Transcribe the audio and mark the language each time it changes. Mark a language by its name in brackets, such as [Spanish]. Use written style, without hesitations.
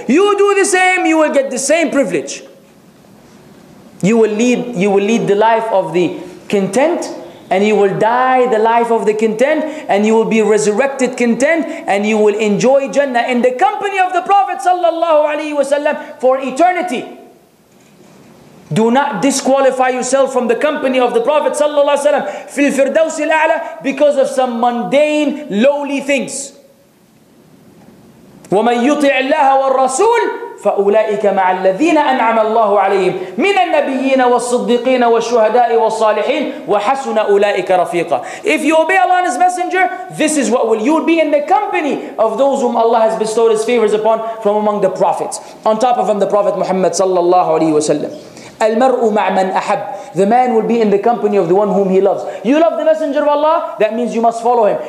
[English] You do the same, you will get the same privilege. You will lead the life of the content, and you will die the life of the content, and you will be resurrected content, and you will enjoy Jannah in the company of the Prophet sallallahu alaihi wasallam for eternity. Do not disqualify yourself from the company of the Prophet sallallahu alaihi wasallam [Arabic] fil firdaus al a'la [English] because of some mundane lowly things. [Arabic] Wa man yuti' Allah wa ar-rasul فأولئك مع الذين أنعم الله عليهم من النبيين والصديقين والشهداء والصالحين وحسن أولئك رفيقا. [English] If you obey Allah and His Messenger, this is what will you be in the company of those whom Allah has bestowed His favors upon from among the prophets. On top of them, the Prophet Muhammad [Arabic] صلى الله عليه وسلم. المرء مع من أحب. [English] The man will be in the company of the one whom he loves. You love the Messenger of Allah, that means you must follow him.